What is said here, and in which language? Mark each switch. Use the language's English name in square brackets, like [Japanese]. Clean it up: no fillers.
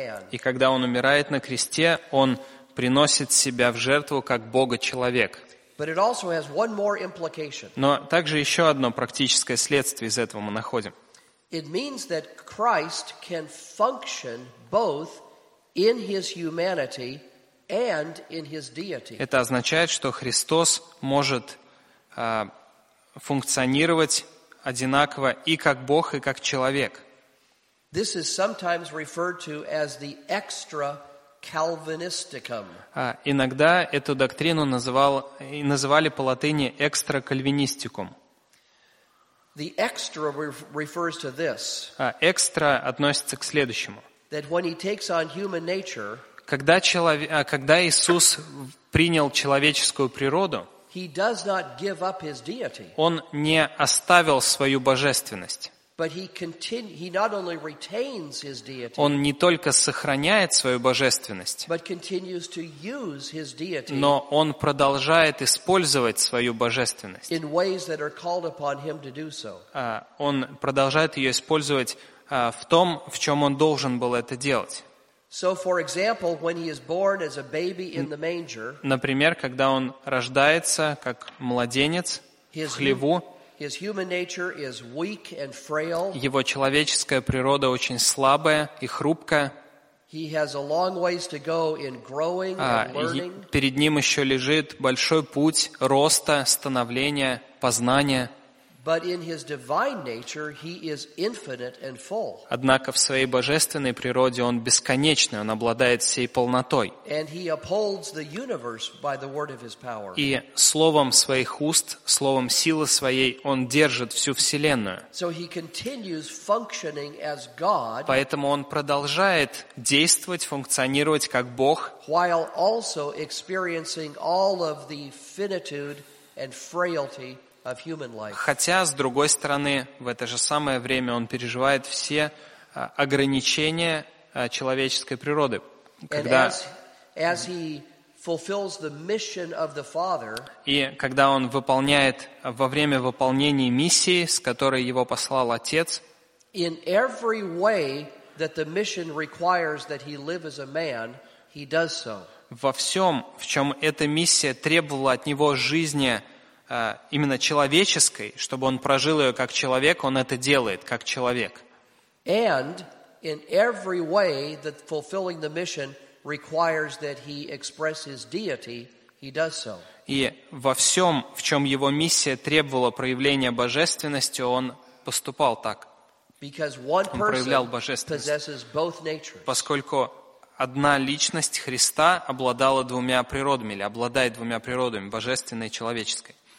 [Russian] И когда он умирает на кресте, он приносит себя в жертву как Бога-человек. Но также еще одно практическое следствие из этого мы находим. [English] It means that Christ can function both in his humanity and in his deity. [Russian] Это означает, что Христос может функционировать одинаково и как Бог, и как человек. [English] This is sometimes referred to as the extra calvinisticum. [Russian] Иногда эту доктрину называли по латыни extra calvinisticum. [English] The extra refers to this. [Russian] Extra относится к следующему. [English] That when he takes on human nature, [Russian] когда Иисус принял человеческую природу, [English] he does not give up his deity. [Russian] Он не оставил свою божественность. [English] But he not only retains his deity. [Russian] Он не только сохраняет свою божественность. [English] But continues to use his deity. [Russian] Но он продолжает использовать свою божественность. [English] In ways that are called upon him to do so. [Russian] Он продолжает ее использовать в том, в чем он должен был это делать. [English] So, for example, when he is born as a baby in the manger, [Russian] например, когда он рождается как младенец в хлеву, [English] his human nature is weak and frail. [Russian] Его человеческая природа очень слабая и хрупкая. [English] He has a long ways to go in growing and learning. [Russian] Перед ним еще лежит большой путь роста, становления, познания. [English] But in his divine nature, he is infinite and full. [Russian] Однако в своей божественной природе он бесконечный, он обладает всей полнотой. [English] And he upholds the universe by the word of his power. [Russian] И словом своих уст, словом силы своей, он держит всю вселенную. [English] So he continues functioning as God. [Russian] Поэтому он продолжает действовать, функционировать как Бог. [English] While also experiencing all of the finitude and frailty. [Russian] Хотя, с другой стороны, в это же самое время он переживает все ограничения человеческой природы. И когда он выполняет, во время выполнения миссии, с которой его послал Отец, [English] in every way that the mission requires that he live as a man, He does so. [Russian] Во всем, в чем эта миссия требовала от него жизни именно человеческой, чтобы он прожил ее как человек, он это делает как человек. [English] And in every way that fulfilling the mission requires that he express his deity, he does so. [Russian] И во всем, в чем его миссия требовала проявления божественности, он поступал так. [English] Because one person possesses both natures. [Russian] Поскольку одна личность Христа обладала двумя природами, или обладает двумя природами, божественной и человеческой.